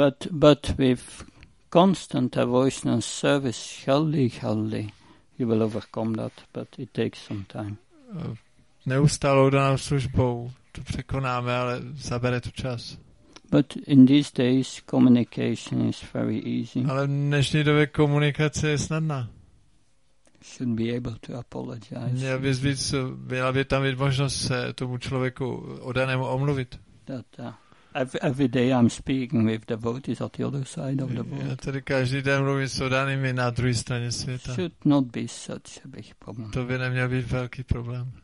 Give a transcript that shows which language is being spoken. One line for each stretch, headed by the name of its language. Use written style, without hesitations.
English: But with constant devotion and service, surely, you will overcome that, but it takes some time.
Czech: Neustálou danou službou to překonáme, ale zabere to čas.
English: But in these days, communication is very easy.
Czech: Ale v dnešní době komunikace je snadná.
English: Should be able to apologize.
Czech: Měl bys být, měla by tam být možnost se tomu člověku oddanému omluvit.
English: Every day I'm speaking with devotees at the other side of the world.
Czech: Já tady každý den mluvím s oddanými na druhé straně světa.
English: Should not be such a big problem.
Czech: To by neměl být velký problém.